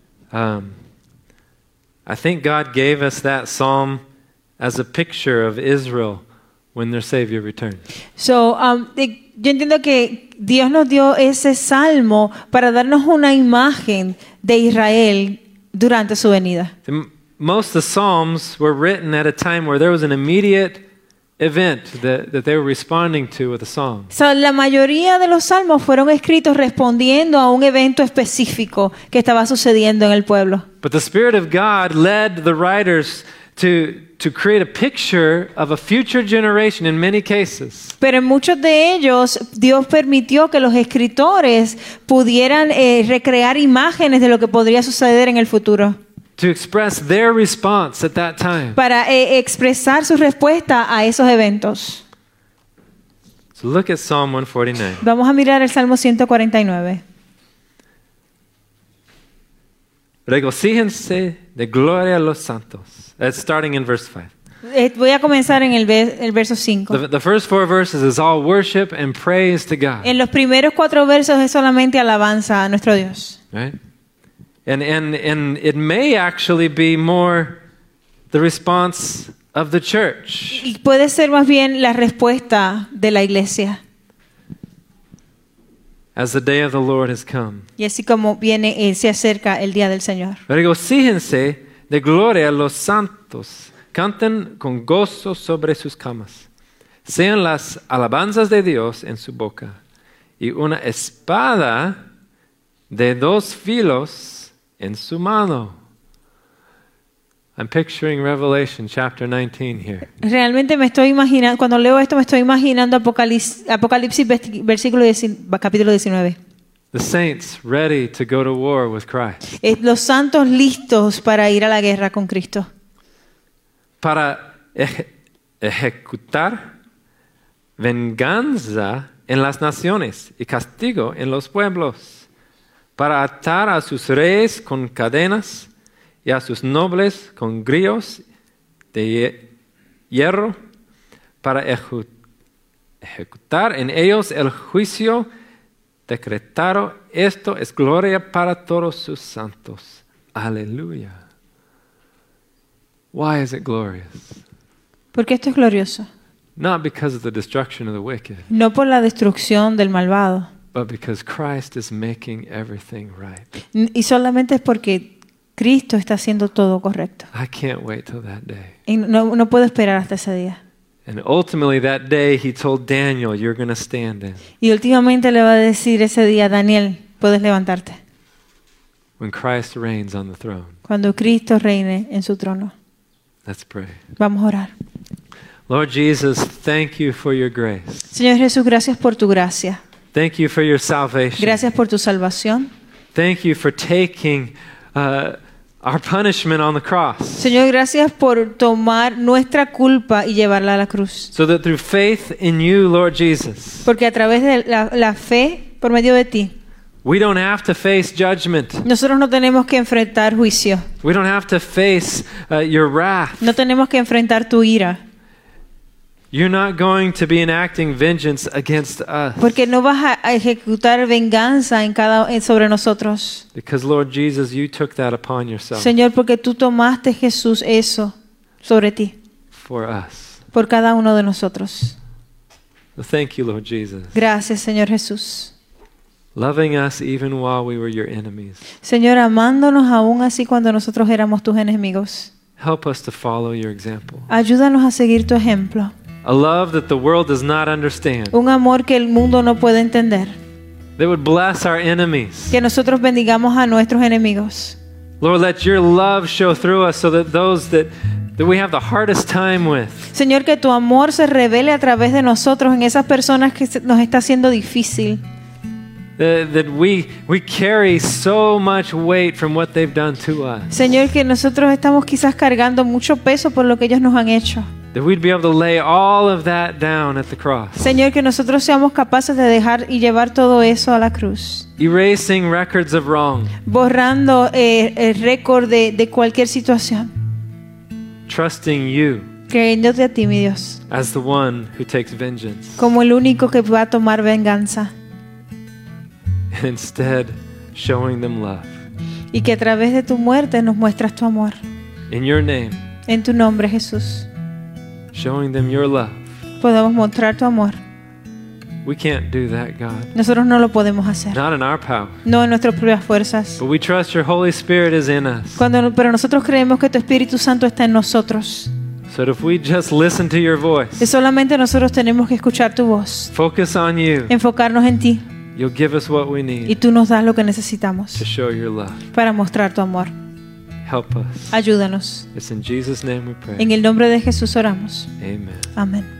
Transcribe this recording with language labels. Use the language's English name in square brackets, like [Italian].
[English] I think God gave us that psalm as a picture of Israel when their Savior returned. [Spanish] So, yo entiendo que Dios nos dio ese salmo para darnos una imagen de Israel durante su venida. [English] Most of the psalms were written at a time where there was an immediate event that they were responding to with a song. [Spanish] So, la mayoría de los salmos fueron escritos respondiendo a un evento específico que estaba sucediendo en el pueblo. [English] But the Spirit of God led the writers to create a picture of a future generation in many cases. [Spanish] Pero en muchos de ellos Dios permitió que los escritores pudieran recrear imágenes de lo que podría suceder en el futuro. [English] To express their response at that time. [Spanish] Para expresar su respuesta a esos eventos. [English] So look at Psalm 149. [Spanish] Vamos a mirar el Salmo 149. Regocíjense de gloria a los santos. [English] It's starting in verse 5. [Spanish] Voy a comenzar en el verso 5. [English] The first four verses is all worship and praise to God. [Spanish] En los primeros cuatro versos es solamente alabanza a nuestro Dios. [English] Right? And it may actually be more the response of the church. [Spanish] Y puede ser más bien la respuesta de la iglesia. [English] As the day of the Lord has come. [Spanish] Y así como viene y se acerca el día del Señor. Regocíjense de gloria los santos. Canten con gozo sobre sus camas. Sean las alabanzas de Dios en su boca. Y una espada de dos filos en su mano. [English] I'm picturing Revelation chapter 19 here. [Spanish] Realmente me estoy imaginando, cuando leo esto me estoy imaginando Apocalipsis versículo capítulo 19. [English] The saints ready to go to war with Christ. [Spanish] Los santos listos para ir a la guerra con Cristo. Para ejecutar venganza en las naciones y castigo en los pueblos. Para atar a sus reyes con cadenas y a sus nobles con grillos de hierro, para ejecutar en ellos el juicio decretado. Esto es gloria para todos sus santos. Aleluya. [English] Why is it glorious? [Spanish] Porque esto es glorioso. [English] Not because of the destruction of the wicked. [Spanish] No por la destrucción del malvado. [English] But because Christ is making everything right. [Spanish] Y solamente es porque Cristo está haciendo todo correcto. [English] I can't wait till that day. [Spanish] Y no puedo esperar hasta ese día. [English] And ultimately that day he told Daniel, you're going to stand in. [Spanish] Y últimamente le va a decir ese día, Daniel, puedes levantarte. [English] When Christ reigns on the throne. [Spanish] Cuando Cristo reine en su trono. [English] Let's pray. [Spanish] Vamos a orar. [English] Lord Jesus, thank you for your grace. [Spanish] Señor Jesús, gracias por tu gracia. [English] Thank you for your salvation. [Spanish] Gracias por tu salvación. [English] Thank you for taking our punishment on the cross. [Spanish] Señor, gracias por tomar nuestra culpa y llevarla a la cruz. [English] So that through faith in you, Lord Jesus. [Spanish] Porque a través de la fe por medio de ti. [English] We don't have to face judgment. [Spanish] Nosotros no tenemos que enfrentar juicio. [English] We don't have to face your wrath. [Spanish] No tenemos que enfrentar tu ira. [English] You're not going to be enacting vengeance against us. [Spanish] Porque no vas a ejecutar venganza sobre nosotros. [English] Because Lord Jesus, you took that upon yourself. [Spanish] Señor, porque tú tomaste Jesús eso sobre ti. [English] For us. [Spanish] Por cada uno de nosotros. [English] Thank you, Lord Jesus. [Spanish] Gracias, Señor Jesús. [English] Loving us even while we were your enemies. [Spanish] Señor, amándonos aún así cuando nosotros éramos tus enemigos. [English] Help us to follow your example. [Spanish] Ayúdanos a seguir tu ejemplo. [English] A love that the world does not understand. [Spanish] Un amor que el mundo no puede entender. [English] That would bless our enemies. [Spanish] Que nosotros bendigamos a nuestros enemigos. [English] Lord, let your love show through us so that those that we have the hardest time with. [Spanish] Señor, que tu amor se revele a través de nosotros en esas personas que nos está haciendo difícil. [English] That we carry so much weight from what they've done to us. [Spanish] Señor, que nosotros estamos quizás cargando mucho peso por lo que ellos nos han hecho. [English] That we'd be able to lay all of that down at the cross. [Spanish] Señor, que nosotros seamos capaces de dejar y llevar todo eso a la cruz. [English] Erasing records of wrong. [Spanish] Borrando el récord de cualquier situación. [English] Trusting you. [Spanish] Creyéndote a ti, mi Dios. [English] As the one who takes vengeance. [Spanish] Como el único que va a tomar venganza. [English] Instead, showing them love. [Spanish] Y que a través de tu muerte nos muestras tu amor. [English] In your name. [Spanish] En tu nombre, Jesús. [English] Showing them your love. [Spanish] Podemos mostrar tu amor. [English] We can't do that, God. [Spanish] Nosotros no lo podemos hacer. [English] Not in our power. [Spanish] No en nuestras propias fuerzas. [English] But we trust your Holy Spirit is in us. [Spanish] Pero nosotros creemos que tu Espíritu Santo está en nosotros. [English] So if we just listen to your voice. [Spanish] Es solamente nosotros tenemos que escuchar tu voz. [English] Focus on you. [Spanish] Enfocarnos en ti. [English] You'll give us what we need. [Spanish] Y tú nos das lo que necesitamos. [English] To show your love. [Spanish] Para mostrar tu amor. [English] Help us. [Spanish] Ayúdanos. [English] It's in Jesus' name we pray. [Spanish] En el nombre de Jesús oramos. [English] Amen. [Spanish] Amén.